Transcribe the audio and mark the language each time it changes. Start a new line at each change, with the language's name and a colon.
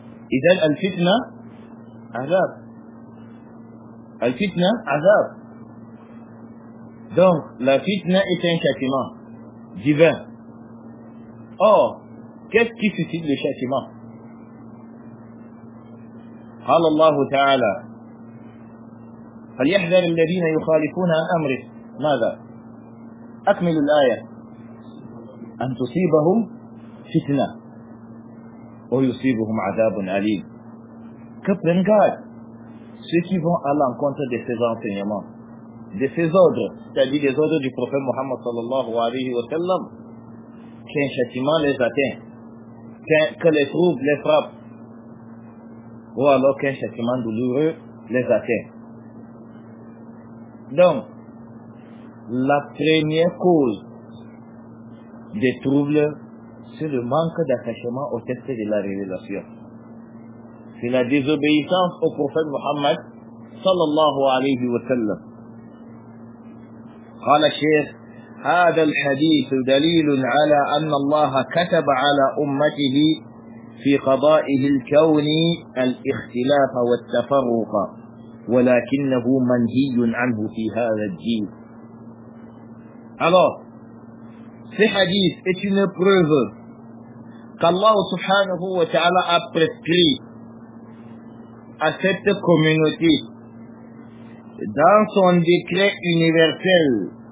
Arabic: Idan al-fitna, azab. Al-fitna, azab.
French: Donc, la fitna est un châtiment divin. Or, qu'est-ce qui suscite le châtiment?
Arabic: قال الله تعالى فليحذر الذين يخالفون عن أمره ماذا؟ أكمل الآية أن تصيبهم فتنة ويصيبهم عذاب أليم. كبرن قال
French: ceux qui vont à l'encontre de ses enseignements, de ses ordres, c'est-à-dire des ordres du prophète Mohammed sallallahu alayhi wa sallam, qu'un châtiment les atteint, que les troubles les frappent, ou alors qu'un châtiment douloureux les atteint. Donc, la première cause des troubles, c'est le manque d'attachement au test de la révélation. C'est la désobéissance au prophète Mohammed sallallahu alayhi wa sallam.
Arabic: قال الشيخ هذا الحديث دليل على أن الله كتب على أمته في قضائه الكوني الاختلاف والتفرق ولكنه منهي عنه في هذا الجيل.
French: Alors, ce hadith est une preuve qu'Allah subhanahu wa ta'ala a prescrit à cette communauté dans son décret universel.